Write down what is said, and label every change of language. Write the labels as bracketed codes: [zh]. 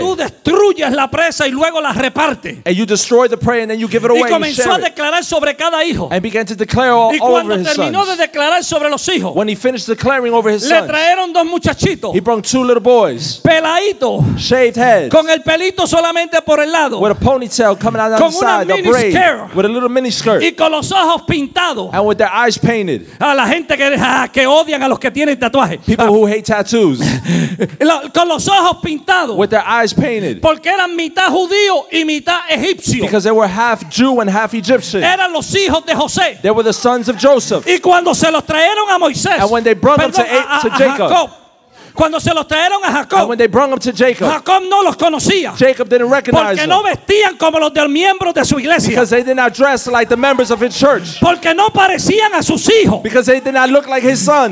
[es] Y tú destruyes la presa y luego la repartes. [en] And you destroy the prey and then you give it away. [es] Y comenzó a declarar sobre cada hijo. [en] And began to declare all over his sons. [es] Y cuando terminó de declarar sobre los hijos, [en] when he finished declaring over his sons, [es] dos muchachitos. [en] He brought two little boys. [es] Peladito. [en] Shaved heads. [es] Con el pelito solamente por el lado. [en] With a ponytail coming out on [es] con [en] the side. Mini braid, skirt. With a little mini skirt. [es] Y con los ojos pintados. [en] And with their eyes painted. [es] A la gente que odian a los que tienen tatuajes. [en] People who hate tattoos. [es] Con los ojos pintados. [en] With their eyes painted. [es] Porque eran mitad judío y mitad egipcio. [en] Because they were half Jew and half Egyptian. [es] Eran los hijos de José. [en] They were the sons of Joseph. [es] Y cuando se los trajeron a Moisés. [en] And when they brought [es] perdón, [en] them to Jacob. [es] Cuando se los trajeron a Jacob, [en] and when they brought them to Jacob, [es] Jacob no los conocía, [en] Jacob didn't recognize [es] porque no vestían como los del miembro de su iglesia, [en] because they did not dress like the members of his church, [es] porque no parecían a sus hijos, [en] because they did not look like his sons,